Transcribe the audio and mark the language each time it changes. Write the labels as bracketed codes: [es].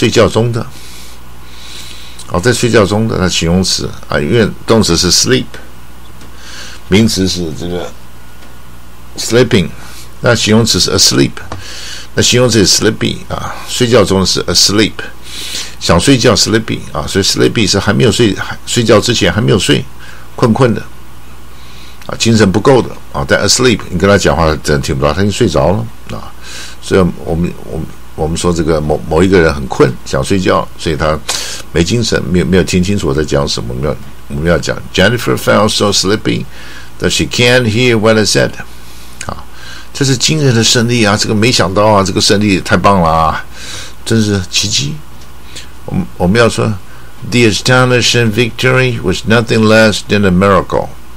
[zh] 睡觉中的啊，在睡觉中的那形容词啊，因为动词是 sleep，名词是这个 sleeping， 那形容词是 asleep， 那形容词是 sleepy 啊，睡觉中是 asleep， 想睡觉 sleepy 啊，所以 sleepy 是还没有睡，睡觉之前还没有睡，困困的啊，精神不够的啊，在 asleep， 你跟他讲话真的听不到，他已经睡着了啊。所以我们说这个某一个人很困，想睡觉，所以他没精神，没有听清楚我在讲什么。我们要讲 [en] Jennifer felt so sleepy that she can't hear what I said。 [zh] 啊，这是惊人的胜利啊！这个没想到啊，这个胜利太棒了啊，真是奇迹。我们要说 [en] The astonishing victory was nothing less than a miracle。